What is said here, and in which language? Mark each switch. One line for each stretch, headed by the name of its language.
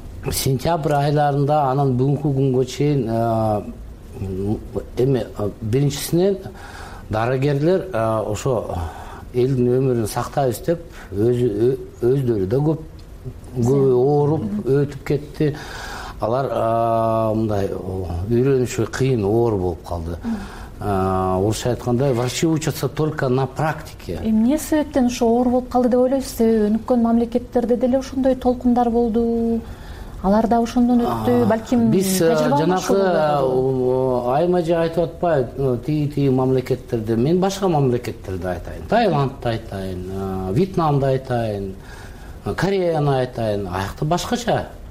Kyrgyz: Сентябрь айларында анан бүгүнкү күнгө чейин эми биринчисинен дарыгерлер ошо элдин өмүрүн сактайбыз деп өздөрү да көбү ооруп өтүп кетти. Алар мындай үйрөнүшү кыйын, оор болуп калды. Орусча айтканда
Russian: врачи учатся только на практике.
Kyrgyz: Эмне себептен ошо оор болуп калды деп ойлойсуз? Өнүккөн мамлекеттерде деле ошондой толкундар болду, алар да ошондон өттү, балким биз жанакы айма жай айтып атпайбы, тиги мамлекеттерде. Мен башка мамлекеттерди айтайын, Таиландды айтайын, Вьетнамды айтайын, Кореяны айтайын, аякта башкача.